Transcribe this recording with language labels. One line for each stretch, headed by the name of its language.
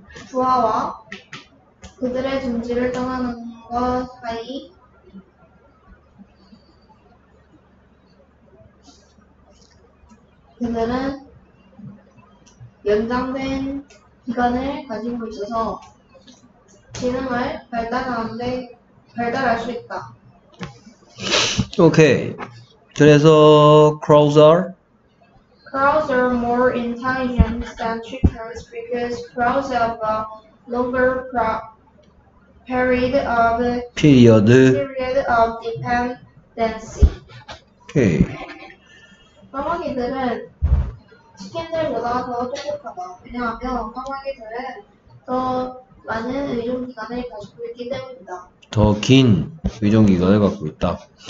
Korean: 부하와 그들의 둥지를 떠나는 것 사이 그들은 연장된 기간을 가지고 있어서 지능을 발달할 수 있다. 오케이. 그래서
English: crows are? Crows are more intelligent than chickens because crows have a longer period of dependency.
Korean: 오케이. 까마귀들은 치킨들보다 더 똑똑하다. 왜냐하면 까마귀들은 더 많은 의존기간을 가지고 있기 때문이다. 더 긴 의존기간을 갖고 있다.